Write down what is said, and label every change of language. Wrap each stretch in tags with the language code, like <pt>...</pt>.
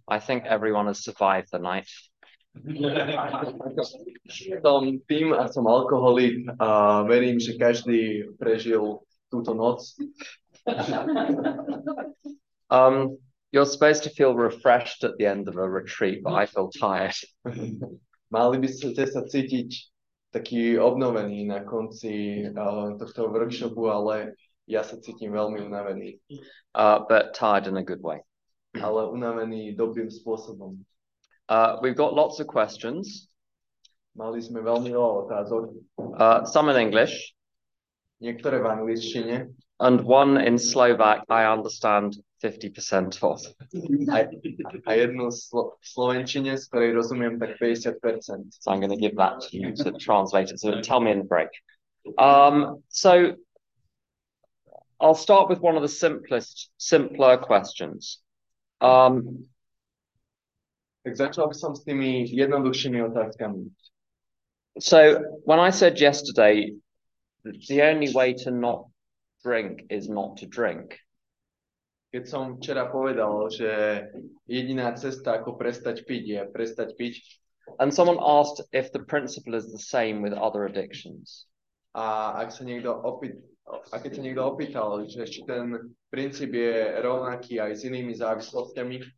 <en>I think everyone has survived the night.</en> <sk>Tam tým a som alkoholik a verím, že každý prežil túto noc.</sk> <en>You're supposed to feel refreshed at the end of a retreat, but I feel tired.</en> <sk>Mali by ste sa cítiť taký obnovený na konci tohto workshopu, ale ja sa cítim veľmi unavený.</sk> <en>But tired in a good way.</en> <sk>Ale unavený dobrým spôsobom.</sk> <en>We've got lots of questions.</en> <sk>Mali sme veľmi veľa otázok.</sk> <en>Some in English.</en> <sk>Niektoré v angličtine.</sk> <en>And one in Slovak, I understand 50% of.</en> <sk>A jednu v slovenčine, z ktorej rozumiem tak 50%.</sk> <en>So I'm going to give that to you to translate it. So tell me in the break. So I'll start with one of the simpler questions.</en> <sk>Tak začal by som s tými jednoduchšími otázkami.</sk> <en>So when I said yesterday, the only way to not drink is not to drink.</en> <sk>Keď som včera povedal, že jediná cesta, ako prestať piť, je prestať piť.</sk> <en>And someone asked if the principle is the same with other addictions.</en> <sk>A ak sa niekto opýtal, že či ten princíp je rovnaký aj s inými závislostiami.</sk>